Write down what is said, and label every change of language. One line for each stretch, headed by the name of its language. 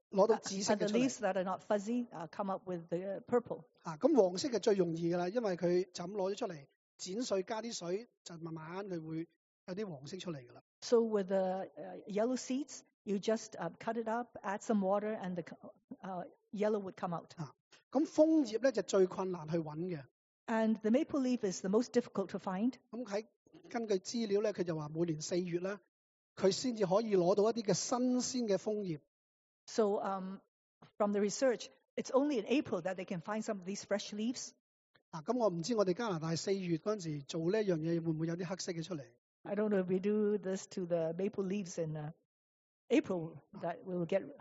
English: And the leaves that are not fuzzy come up with the purple.
Cantonese: 咁黃色嘅最容易噶啦，因為佢就咁攞咗出嚟，剪碎加啲水，就慢慢佢會有啲黃色出嚟噶啦。
English: So with the yellow seeds, you just cut it up, add some water, and the yellow would come out.
Cantonese: 咁楓葉咧就最困難去揾嘅。
English: And the maple leaf is the most difficult to find.
Cantonese: 咁喺根據資料咧，佢就話每年四月咧，佢先至可以攞到一啲嘅新鮮嘅楓葉。
English: So from the research, it's only in April that they can find some of these fresh leaves.
Cantonese: 咁我唔知我哋加拿大四月嗰陣時做呢樣嘢會唔會有啲黑色嘅出嚟
English: ？I don't know if we do this to the maple leaves in April that we will get.